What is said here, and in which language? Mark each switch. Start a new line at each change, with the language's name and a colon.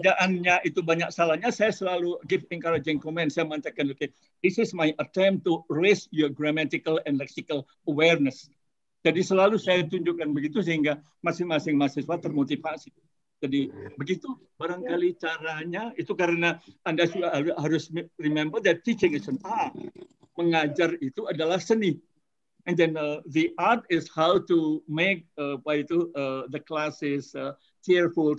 Indonesian: Pekerjaannya itu banyak salahnya, saya selalu
English: give encouraging comments.
Indonesian: Saya mengatakan,
English: okay, this is my attempt to raise your grammatical and lexical awareness.
Indonesian: Jadi selalu saya tunjukkan begitu sehingga masing-masing mahasiswa termotivasi. Jadi begitu barangkali caranya itu karena Anda harus
English: remember that teaching is an art.
Indonesian: Mengajar itu adalah seni.
English: And then the art is how to make the classes cheerful.